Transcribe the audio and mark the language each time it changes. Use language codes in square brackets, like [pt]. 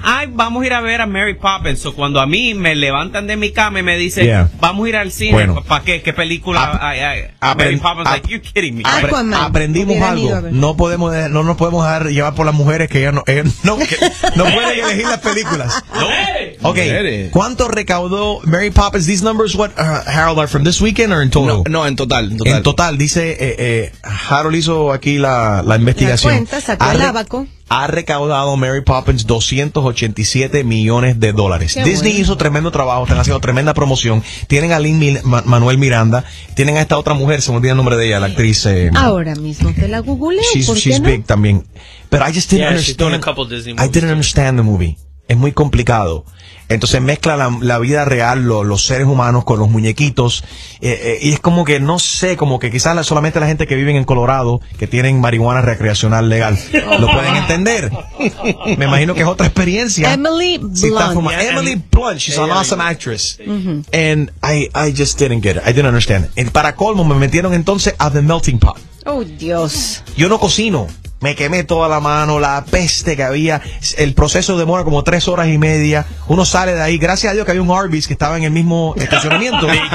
[es] Ay, vamos a ir a ver a Mary Poppins. So, cuando a mí me levantan de mi cama y me dicen, vamos a ir al cine. Bueno, ¿para qué? ¿Qué película? Mary Poppins, [en] you're kidding me. [es] Aprendimos algo. No nos podemos dejar llevar por las mujeres que no pueden elegir las películas. No. Okay. ¿Cuánto recaudó Mary Poppins? [en] These numbers, what, Harold, are from this weekend or in total? [es] No, en total. Dice, Harold hizo aquí la investigación. La cuenta, sacó el abaco. Ha recaudado Mary Poppins 287 millones de dólares. Qué Disney hizo tremendo trabajo, están haciendo tremenda promoción. Tienen a Lin-Manuel Miranda, tienen a esta otra mujer, se me olvida el nombre de ella, la actriz. Ahora mismo te la googleo, [en] she's [es] no? [en] big [es] también. Pero [en] I just didn't understand. She's done a couple Disney movies. I didn't understand the movie. [es] Es muy complicado. Entonces mezcla la vida real, los seres humanos con los muñequitos. Y es como que, no sé, como que quizás solamente la gente que vive en Colorado, que tienen marihuana recreacional legal, lo pueden entender. Me imagino que es otra experiencia. Emily Blunt. Si [en] Emily Blunt, she's an awesome actress. Mm-hmm. And I just didn't get it. I didn't understand. [es] Y para colmo, me metieron entonces a The Melting Pot. Oh, Dios. Yo no cocino. Me quemé toda la mano, la peste que había. El proceso demora como 3 horas y media. Uno sale de ahí. Gracias a Dios que había un Arby's que estaba en el mismo estacionamiento.